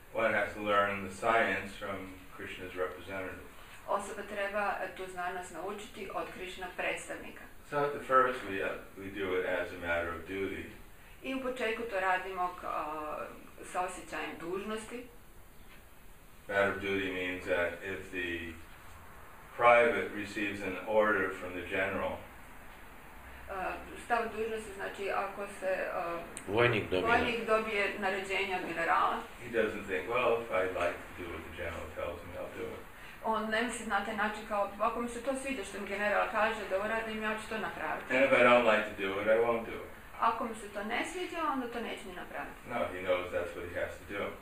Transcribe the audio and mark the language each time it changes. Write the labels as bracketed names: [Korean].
[English] One has to learn the science from Krishna's representative. [Croatian] Osoba treba tu znanost naučiti od Krišna predstavnika. [English] So at the first we do it as a matter of duty. [Croatian] I u početku to radimo sa osjećajem dužnosti. [English] Matter of duty means that if the private receives an order from the general. [Croatian] Stav dužnosti znači ako se vojnik dobije naređenje od generala. [English] He doesn't think, well, if I'd like to do what the general tells me, I'll do it. [Croatian] On ne misli na taj način kao, ako mi se to sviđa što mi general kaže da uradim, ja ću to napraviti. [English] And if I don't like to do it, I won't do it. [Croatian] Ako mi se to ne sviđa, onda to neću ni napraviti. [English] No, he knows that's what he has to do.